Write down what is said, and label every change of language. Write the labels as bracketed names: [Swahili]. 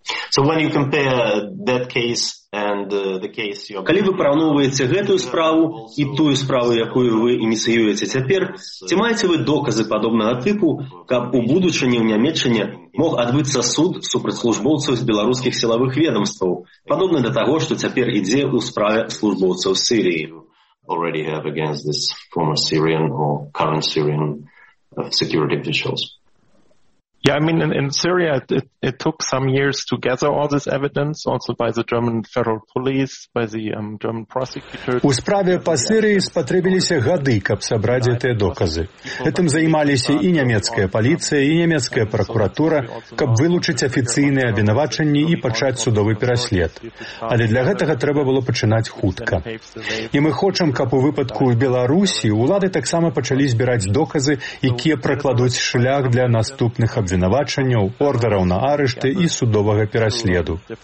[English] So when you compare that case and the case you're... [Belarusian] Калі вы параўноўваеце гэтую справу і тую справу, якую вы ініцыюеце цяпер, ці маеце вы доказы падобнага тыпу, каб у будучыні ў Нямецчыне мог адбыцца суд супраць службоўцаў з беларускіх сілавых ведамстваў, падобны да таго, што цяпер ідзе ў справе службоўцаў Сирії? [English] Already have against this former Syrian or current Syrian of security officials. Yeah, I mean, in Syria, it took some years to gather all this evidence, also by the German federal police, by the German prosecutor. [Belarusian] У справе па Сирии спатрэбіліся гады, каб сабраць гэтыя доказы. Гэтым займаліся і нямецкая паліцыя, і нямецкая пракуратура, каб вылучыць афіцыйныя абвінавачанні і пачаць судовы пераслед. Але для гэтага трэба было пачынаць хутка. І мы хочам, каб у выпадку ў Беларусі ўлады таксама пачалі збіраць доказы, якія пракладуць шлях для наступных абвінавачанняў, ордараў на арышты і судовага пераследу.